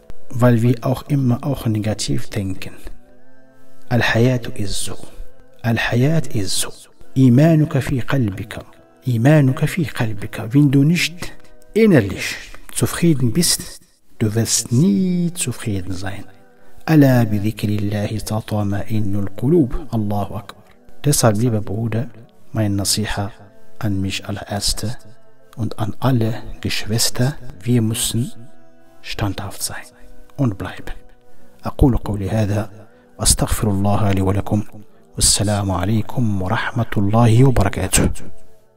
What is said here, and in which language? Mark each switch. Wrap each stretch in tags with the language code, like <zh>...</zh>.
<de>Weil wir auch immer auch negativ denken. Al-Hayat ist so. Al-Hayat ist so.</de> <ar>Imanuka fi qalbika. Imanuka fi qalbika.</ar> <de>Wenn du nicht innerlich zufrieden bist, du wirst nie zufrieden sein.</de> <ar>ألا بذكر الله تطمئن القلوب. الله أكبر.</ar> <de>Deshalb, lieber Bruder, meine Nasiha an mich allererste und an alle Geschwister, wir müssen standhaft sein und bleiben.</de> <ar>أقول قولي هذا وأستغفر الله لي ولكم والسلام عليكم ورحمة الله وبركاته.</ar>